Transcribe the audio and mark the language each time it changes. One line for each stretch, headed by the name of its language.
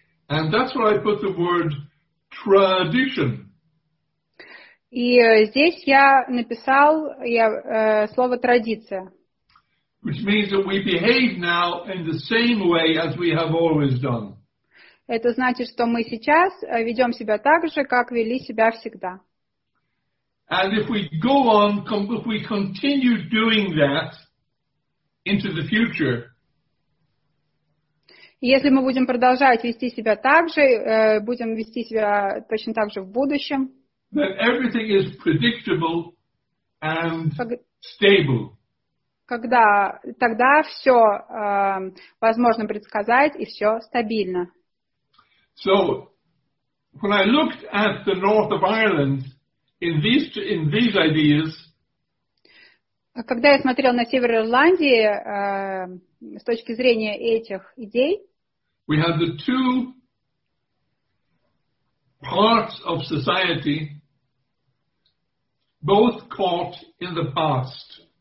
English: And that's where I put the word tradition.
Russian: И здесь я написал слово традиция.
English: Which means that we behave now in the same way as we have always done.
Russian: Это значит, что мы сейчас ведем себя так же, как вели себя всегда.
English: And if we go on, if we continue doing that into the future,
Russian: если мы будем продолжать вести себя так же, будем вести себя точно так же в будущем,
English: then everything is predictable and stable.
Russian: Когда, тогда все возможно предсказать и все стабильно.
English: So, when I looked at the north of Ireland in these ideas,
Russian: когда я смотрел на север Ирландии с точки зрения этих идей,
English: we had the two parts of society both caught in the past.